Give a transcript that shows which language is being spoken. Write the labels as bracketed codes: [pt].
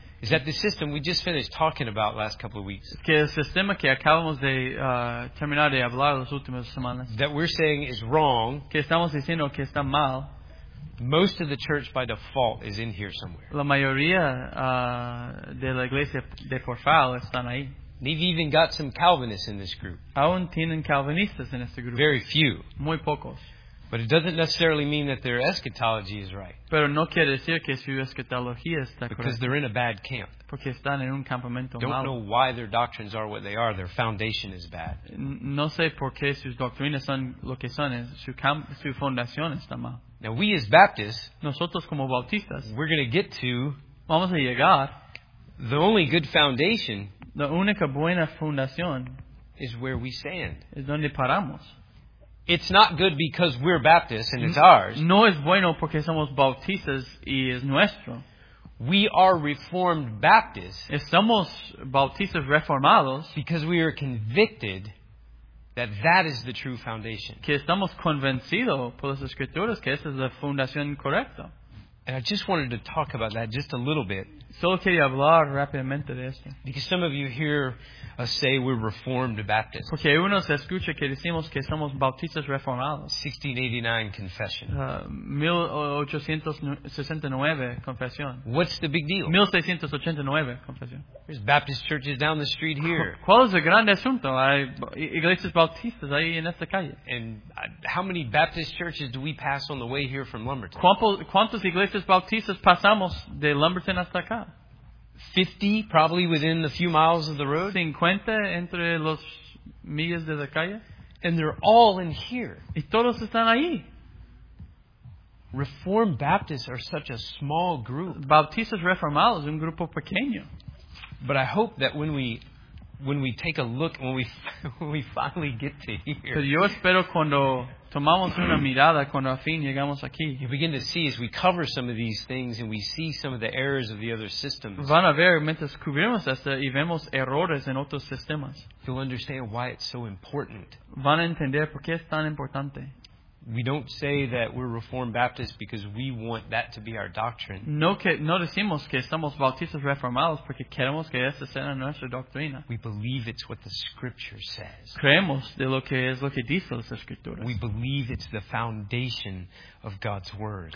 [en] is that the system we just finished talking about last couple of weeks. [es] Que el sistema que acabamos de terminar de hablar las últimas semanas. [en] That we're saying is wrong. [es] Que estamos diciendo que está mal. [en] Most of the church by default is in here somewhere. [es] La mayoría de la iglesia de por fall están ahí. [en] They've even got some Calvinists in this group. [es] Aún tienen calvinistas en este grupo. [en] Very few. [es] Muy pocos. [en] But it doesn't necessarily mean that their eschatology is right. [es] Pero no quiere decir que su eschatología está correcta. [en] Because they're in a bad camp. [es] Porque están en un campamento [en] don't [es] malo. [en] Don't know why their doctrines are what they are. Their foundation is bad. [es] No sé por qué sus doctrinas son lo que son. Su fundación está mal. [en] Now we as Baptists. [es] Nosotros como bautistas. [en] We're going to get to. [es] Vamos a llegar. [en] The only good foundation. [es] La única buena fundación [en] is where we stand. [es] Es donde paramos. [en] It's not good because we're Baptists and it's ours. [es] No es bueno porque somos bautistas y es nuestro. [en] We are Reformed Baptists. [es] Estamos bautistas reformados. [en] Because we are convicted that is the true foundation. [es] Que estamos convencidos por las escrituras que esa es la fundación correcta. [en] And I just wanted to talk about that just a little bit. [es] Solo quería hablar rápidamente de esto. [en] Because some of you hear us say we're Reformed Baptists. [es] Porque algunos escuchan que decimos que somos bautistas reformados. [en] 1689 confession. [es] 1869 confesión. [en] What's the big deal? [es] 1689 confesión. [en] There's Baptist churches down the street here. [es] ¿Cuál es el gran asunto? Hay iglesias bautistas ahí en esta calle. [en] And how many Baptist churches do we pass on the way here from Lumberton? [es] ¿Cuántos iglesias bautistas pasamos de Lumberton hasta acá? [en] 50, probably within a few miles of the road. [es] 50 entre los millas de la calle. [en] And they're all in here. [es] Y todos están ahí. [en] Reformed Baptists are such a small group. [es] Bautistas reformados, un grupo pequeño. [en] But I hope that when we take a look, when we finally get to here. [es] Pero yo espero cuando tomamos una mirada, cuando al fin llegamos aquí. [en] You begin to see as we cover some of these things and we see some of the errors of the other systems. [es] Van a ver mientras cubrimos esto y vemos errores en otros sistemas. [en] You'll understand why it's so important. [es] Van a entender por qué es tan importante. [en] We don't say that we're Reformed Baptists because we want that to be our doctrine. [es] No decimos que somos bautistas reformados porque queremos que esa sea nuestra doctrina. [en] We believe it's what the Scripture says. [es] Creemos de lo que dice las Escrituras. [en] We believe it's the foundation of God's Word.